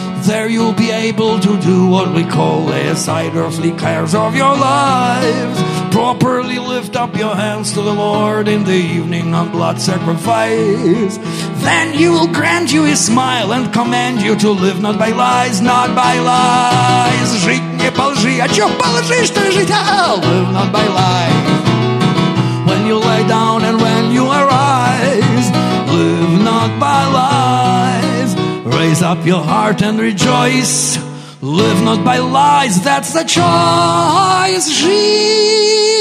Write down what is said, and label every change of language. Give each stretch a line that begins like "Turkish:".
English: There you'll be able to do what we call lay aside earthly cares of your lives. Properly lift up your hands to the Lord in the evening on blood sacrifice. Then he will grant you his smile and command you to live not by lies, not by lies.
Russian: Жить не по лжи, а чё по лжи, что жить?
English: Live not by lies. When you lay down and when you arise, live not by lies. Raise up your heart and rejoice. Live not by lies, that's the choice.